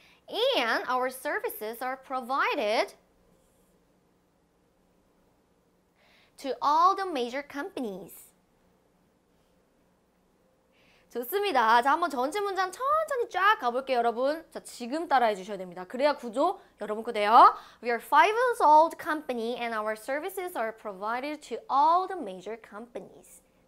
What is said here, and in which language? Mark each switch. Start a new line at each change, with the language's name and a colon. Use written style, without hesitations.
English: And our services are provided to all the major companies.
Korean: 좋습니다. 자, 한번 전체 문장 천천히 쫙 가볼게요, 여러분. 자, 지금 따라해 주셔야 됩니다. 그래야 구조 여러분 거 돼요.
English: We are 5 years old company and our services are provided to all the major companies.